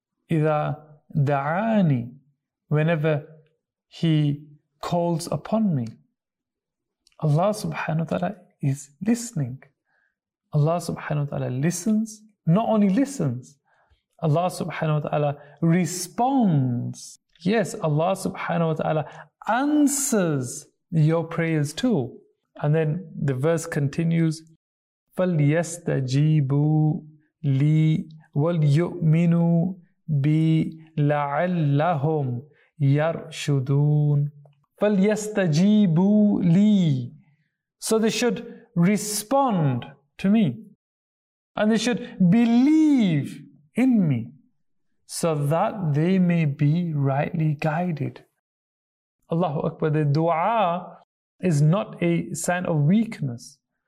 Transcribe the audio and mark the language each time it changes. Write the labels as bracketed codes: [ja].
[ar] إِذَا دَعَانِي. [en] Whenever he calls upon me, Allah subhanahu wa ta'ala is listening. Allah subhanahu wa ta'ala listens, not only listens, Allah subhanahu wa ta'ala responds. Yes, Allah subhanahu wa ta'ala answers your prayers too. And then the verse continues, [ar] فَلْيَسْتَجِيبُوا لِي وَلْيُؤْمِنُوا بِلَعَلَّهُمْ يَرْشُدُونَ فَلْيَسْتَجِيبُوا لِي. [en] So they should respond to me. And they should believe in me, so that they may be rightly guided. Allahu Akbar, the dua is not a sign of weakness.